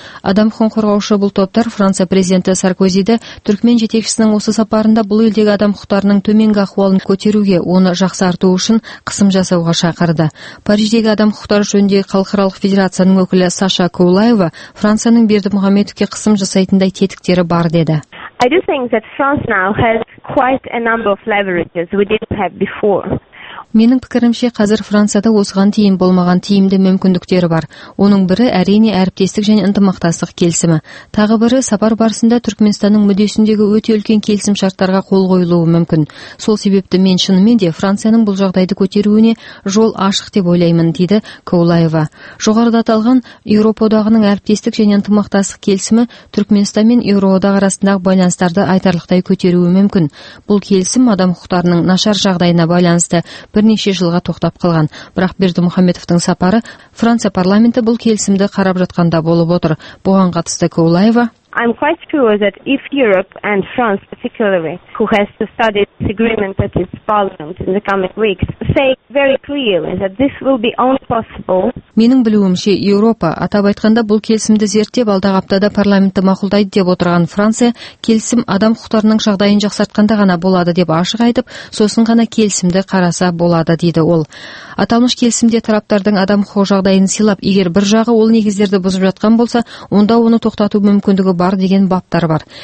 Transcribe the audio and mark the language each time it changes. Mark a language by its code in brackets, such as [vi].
[kk] Адам құқығын қорғаушы бұл топтар Франция президенті Саркозиді түркмен жетекшісі осы сапарында бұл елдегі адам құқықтарының төменгі ахуалын көтеруге, оны жақсарту үшін қысым жасауға шақырды. Париждегі адам құқықтары жөніндегі халықаралық федерацияның өкілі Саша Кулаева Францияның Бердімұхамедовке қысым жасайтындай тетіктері бар деді. [en] I do think that France now has quite a number of leverages we didn't have before. [kk] Менің пікірімше, қазір Францияда осыған дейін болмаған тиімді мүмкіндіктері бар. Оның бірі әрине әріптестік және ынтымақтастық келісімі. Тағы бірі сапар барысында Түркменстанның мүддесіндегі өте үлкен келісім шарттарға қол қойылуы мүмкін. Сол себепті мен шынымен де Францияның бұл жағдайды көтеруіне жол ашық деп ойлаймын, дейді Каулаева. Жоғарыда аталған Еуропа одағының әріптестік және ынтымақтастық келісімі Түркменстан мен Еуропа одағы арасындағы байланыстарды айтарлықтай көтеруі мүмкін. Бұл келісім адам құқықтарының нашар жағдайына байланысты бірнеше жылға тоқтап қалған. Бірақ Бердімұхамедовтың сапары Франция парламенті бұл келісімді қарап жатқанда болып отыр. Бұған қатысты Кулаева. [en] I'm quite sure that if Europe and France particularly, who has to study this agreement at its parliament in the coming weeks, say very clearly that this will be only possible. [kk] Менің білуімше, Еуропа, атап айтқанда бұл келісімді зерттеп алдағы аптада парламентті мақұлдайды деп отырған Франция, келісім адам құқықтарының жағдайын жақсартқанда ғана болады деп ашық айтып, сосын ғана келісімді қараса болады дейді ол. Аталмыш келісімде тараптардың адам құқығы жағдайын сыйлап, егер бір жағы ол негіздерді бұзып жатқан болса, онда оны тоқтату мүмкіндігі бар деген баптар бар.